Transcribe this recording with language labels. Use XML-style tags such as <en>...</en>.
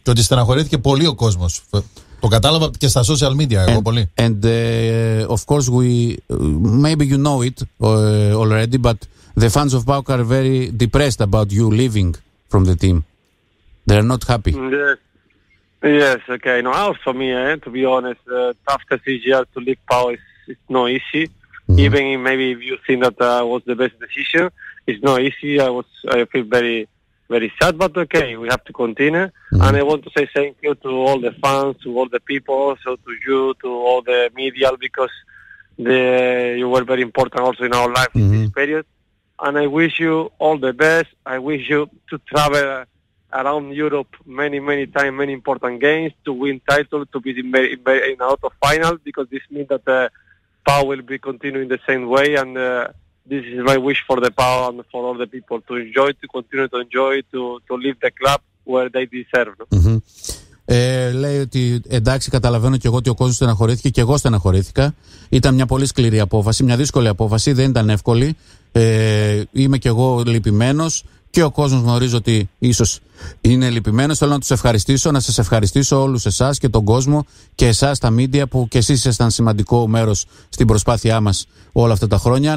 <el>Και ότι στεναχωρήθηκε πολύ ο κόσμος. Το κατάλαβα και στα social media, εγώ πολύ.</el> <en>And of course, maybe you know it already, but the fans of PAOK are very depressed about you leaving from the team. They're not happy. Yes, okay. No, also me, to be honest, tough decision to leave PAOK is no easy. Mm-hmm. Even if maybe if you think that was the best decision, it's not easy. I feel very, very sad, but okay, we have to continue. Mm-hmm. And I want to say thank you to all the fans, to all the people, so to you, to all the media, because you were very important also in our life mm-hmm. in this period. And I wish you all the best. I wish you to travel around Europe many, many times, many important games, to win title, to be in auto final, because this means that PAOK will be continuing the same way. And this is my wish for the PAOK and for all the people to enjoy, to continue to enjoy, to leave the club where they deserve. Mm-hmm.</en> <el>Λέει ότι εντάξει, καταλαβαίνω και εγώ ότι ο κόσμος στεναχωρήθηκε και εγώ στεναχωρήθηκα. Ήταν μια πολύ σκληρή απόφαση, μια δύσκολη απόφαση, δεν ήταν εύκολη. Είμαι και εγώ λυπημένος και ο κόσμος γνωρίζω ότι ίσως είναι λυπημένος. Θέλω να τους ευχαριστήσω, να σας ευχαριστήσω όλους εσάς και τον κόσμο και εσάς τα media που κι εσείς ήσασταν σημαντικό μέρος στην προσπάθειά μας όλα αυτά τα χρόνια.</el>